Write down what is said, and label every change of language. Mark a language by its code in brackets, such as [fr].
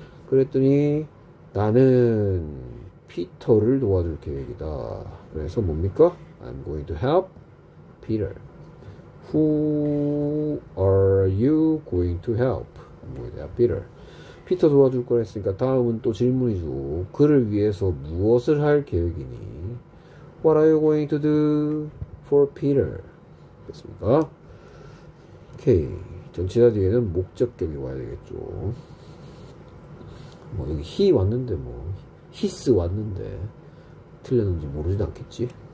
[ko] 그랬더니 나는 피터를 도와줄 계획이다. 그래서 뭡니까? [en] I'm going to help Peter. Who are you going to help? I'm going to help Peter. [ko] 피터 도와줄 거라 했으니까 다음은 또 질문이죠. 그를 위해서 무엇을 할 계획이니? [en] What are you going to do for Peter? [ko] 됐습니까? 오케이. 전치사 뒤에는 목적격이 와야 되겠죠. 뭐 여기 히 왔는데 뭐 히스 왔는데 틀렸는지 모르지도 않겠지.